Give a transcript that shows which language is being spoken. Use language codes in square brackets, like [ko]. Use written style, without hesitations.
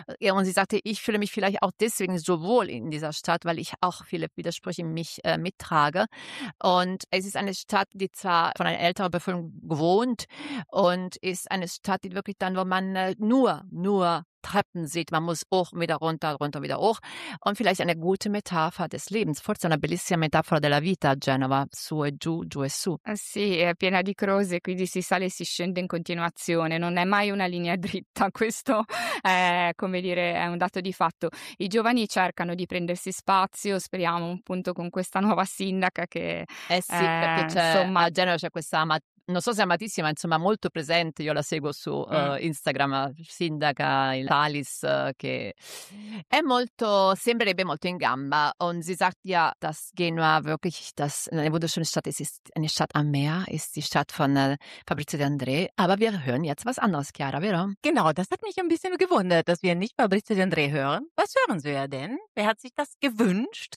[de] Und sie sagte, ich fühle mich vielleicht auch deswegen so wohl in dieser Stadt, weil ich auch viele Widersprüche in mich mittrage. Und es ist eine Stadt, die zwar von einer älteren Bevölkerung gewohnt und ist eine Stadt, die wirklich dann, wo man nur Treppen sieht, man muss hoch und wieder runter, runter und wieder hoch. Und vielleicht eine gute Metapher des Lebens. [it] Forse una bellissima metafora della vita, Genova, su e giù, giù e su. Sì, è piena di croce, quindi si sale e si scende in continuazione. Non è mai una linea dritta, questo è, come dire, è un dato di fatto. I giovani cercano di prendersi spazio, speriamo appunto con questa nuova sindaca che... Sì, perché c'è, insomma, a Genova c'è questa amatrice, non so se amatissima, insomma molto presente, io la seguo su Instagram, sindaca Talis, che è molto, sembrerebbe molto in gamba. [de] Und sie sagt ja, dass Genua wirklich das eine wunderschöne Stadt ist, ist eine Stadt am Meer, ist die Stadt von Fabrizio De André. Aber wir hören jetzt was anderes, Chiara, vero? Genau, das hat mich ein bisschen gewundert, dass wir nicht Fabrizio De André hören. Was hören Sie ja denn? Wer hat sich das gewünscht?